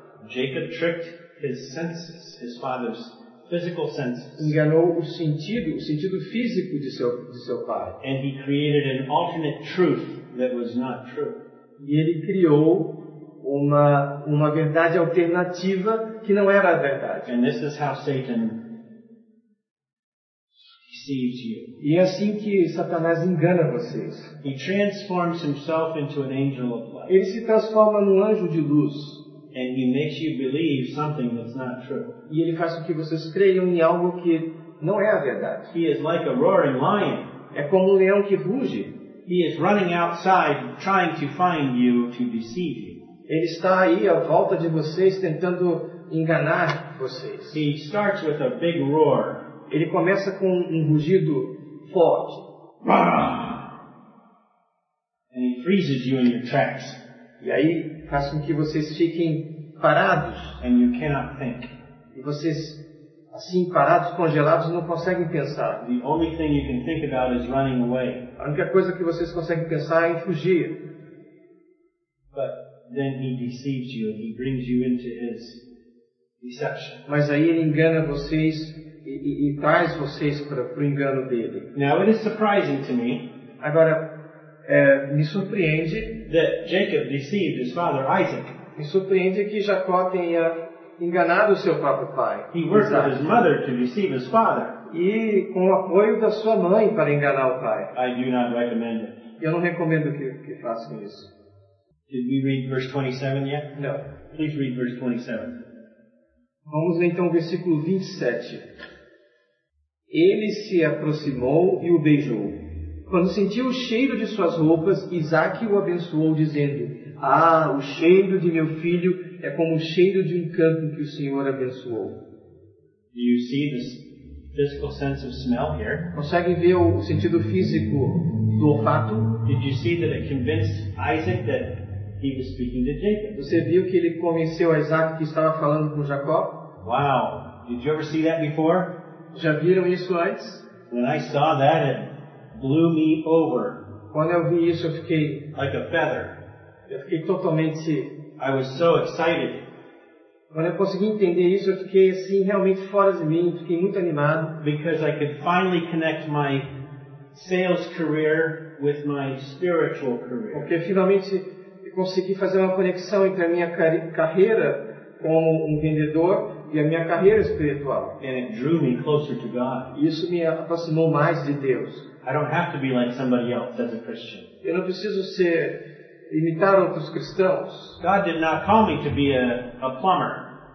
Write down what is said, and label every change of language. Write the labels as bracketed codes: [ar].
[en] Jacob tricked his senses, his father's physical senses. [pt] Enganou o sentido físico de seu pai. [en] And he created an alternate truth that was not true. [pt] E ele criou uma verdade alternativa que não era a verdade. [en] And this is how Satan deceives you. [pt] E é assim que Satanás engana vocês. [en] He transforms himself into an angel of light. [pt] Ele se transforma num anjo de luz. [en] And he makes you believe something that's not true. [pt] E ele faz com que vocês creiam em algo que não é a verdade. [en] He is like a roaring lion. [pt] É como um leão que ruge. [en] He is running outside trying to find you to deceive you. [pt] Ele está aí à volta de vocês tentando enganar vocês. [en] He starts with a big roar. [pt] Ele começa com um rugido forte. [en] And he freezes you in your tracks. [pt] E aí faz com que vocês fiquem parados. [en] And you cannot think. [pt] E vocês, assim, parados, congelados, não conseguem pensar. [en] The only thing you can think about is running away. [pt] A única coisa que vocês conseguem pensar é em fugir. [en] But then he deceives you and he brings you into his deception. [pt] Mas aí ele engana vocês e traz vocês para o engano dele. [en] Now it is surprising to me. [pt] Agora, me surpreende [en] that Jacob deceived his father Isaac. [pt] Me surpreende que Jacó tenha enganado seu próprio pai. [en] He worked with his mother to deceive his father. [pt] E com o apoio da sua mãe para enganar o pai. [en] I do not recommend it. [pt] Eu não recomendo que façam isso. [en] Did we read verse 27 yet? No. Please read verse 27. [pt] Vamos ler então o versículo 27. Ele se aproximou e o beijou. Quando sentiu o cheiro de suas roupas, Isaac o abençoou, dizendo: Ah, o cheiro de meu filho é como o cheiro de um campo que o Senhor abençoou. [en] Do you see this physical sense of smell here? [pt] Consegue ver o sentido físico do olfato? [en] Did you see that it convinced Isaac that he was speaking to Jacob? [pt] Você viu que ele convenceu a Isaac que estava falando com Jacó? [en] Wow! Did you ever see that before? [pt] Já viram isso antes? [en] When I saw that, it blew me over. [pt] Quando eu vi isso, eu fiquei [en] like a feather. [pt] Eu fiquei totalmente. [en] I was so excited. [pt] Quando eu consegui entender isso, eu fiquei assim realmente fora de mim, fiquei muito animado. [en] Because I could finally connect my sales career with my spiritual career. [pt] Porque finalmente eu consegui fazer uma conexão entre a minha carreira como um vendedor e a minha carreira espiritual. [en] And it drew me closer to God. [pt] Isso me aproximou mais de Deus. [en] I don't have to be like somebody else as a Christian. [pt] Eu não preciso imitar outros cristãos. [en] God did not call me to be a plumber.